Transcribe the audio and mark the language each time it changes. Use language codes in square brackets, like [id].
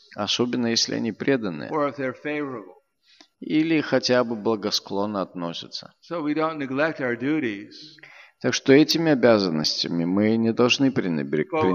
[ru] Особенно если они преданные. [en] Or if they're favorable. [ru] Или хотя бы благосклонно относятся. [en] So we don't neglect our duties. [ru] Так что этими обязанностями мы не должны пренебрегать.